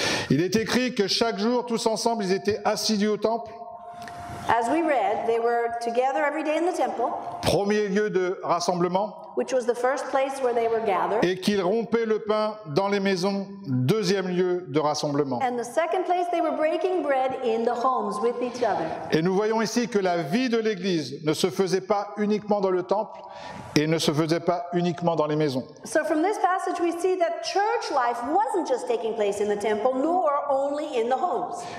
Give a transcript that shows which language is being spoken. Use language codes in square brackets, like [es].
[fr] Il est écrit que chaque jour, tous ensemble, ils étaient assidus au temple. [en] As we read, they were together every day in the temple. [fr] Premier lieu de rassemblement. [en] Which was the first place where they were gathered. [fr] Et qu'ils rompaient le pain dans les maisons. Deuxième lieu de rassemblement. [en] And the second place they were breaking bread in the homes with each other. [fr] Et nous voyons ici que la vie de l'église ne se faisait pas uniquement dans le temple et ne se faisait pas uniquement dans les maisons. [en] So from this passage we see that church life wasn't just taking place in the temple nor only in the homes.